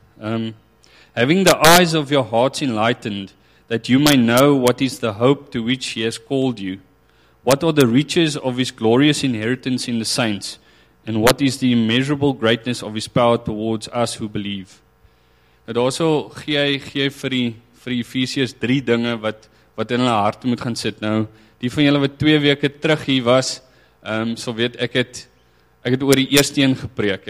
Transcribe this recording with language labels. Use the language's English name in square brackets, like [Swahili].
[English] Having the eyes of your hearts enlightened, that you may know what is the hope to which he has called you, what are the riches of his glorious inheritance in the saints, and what is the immeasurable greatness of his power towards us who believe. [Afrikaans] Dit also gee vir die Efesiërs drie dinge wat in hulle hart moet gaan sit. Nou, die van julle wat 2 weke terug hier was, sal weet ek het oor die eerste een gepreek.